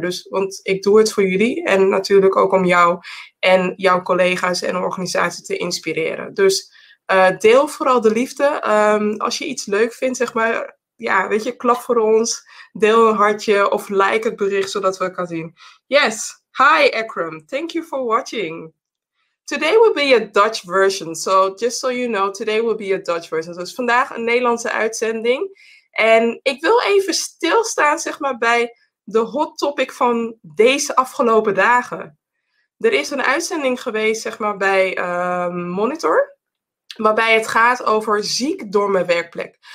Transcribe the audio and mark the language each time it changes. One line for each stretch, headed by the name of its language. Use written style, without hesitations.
Dutch: Dus, want ik doe het voor jullie en natuurlijk ook om jou en jouw collega's en organisatie te inspireren. Dus deel vooral de liefde. Als je iets leuk vindt, zeg maar, ja, weet je, klap voor ons. Deel een hartje of like het bericht, zodat we het kunnen zien.
English: Yes, hi Akram, thank you for watching. Today will be a Dutch version, so just so you know, today will be a Dutch version.
Dutch: Dus vandaag een Nederlandse uitzending. En ik wil even stilstaan, zeg maar, bij de hot topic van deze afgelopen dagen. Er is een uitzending geweest, zeg maar, bij Monitor, waarbij het gaat over ziek door mijn werkplek.